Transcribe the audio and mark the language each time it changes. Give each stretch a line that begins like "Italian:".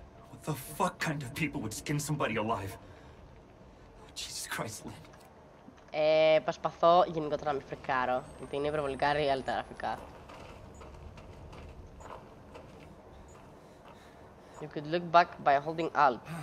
English: What the fuck kind of people would skin somebody alive? Jesus Christ, Lynn.
Greek: Προσπαθώ γενικότερα να μην φρικάρω, γιατί είναι υπερβολικά real τα γραφικά.
English: You could look back by holding alt.